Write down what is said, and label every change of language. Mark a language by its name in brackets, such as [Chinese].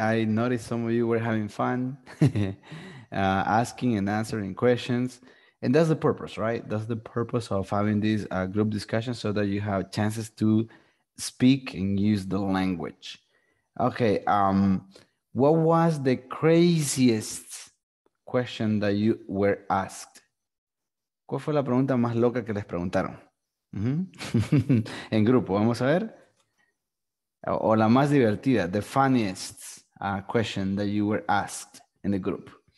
[English] I noticed some of you were having fun asking and answering questions, and that's the purpose, right? That's the purpose of having this group discussion, so that you have chances to speak and use the language. Okay, what was the craziest question that you were asked? [Spanish] ¿Cuál fue la pregunta más loca que les preguntaron? En grupo, vamos a ver. O la más divertida, [English] the funniest question that you were asked in the group.